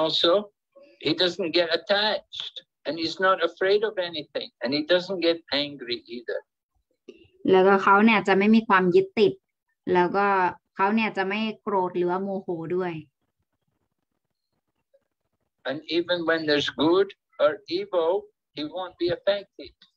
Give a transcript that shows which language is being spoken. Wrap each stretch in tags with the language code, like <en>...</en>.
<en>And also he doesn't get attached and he's not afraid of anything and he doesn't get angry either</en> <th>แล้วก็เขาเนี่ยจะไม่มีความยึดติดแล้วก็เขาเนี่ยจะไม่โกรธหรือว่าโมโหด้วย</th> <en>And even when there's good or evil He won't be affected.</en>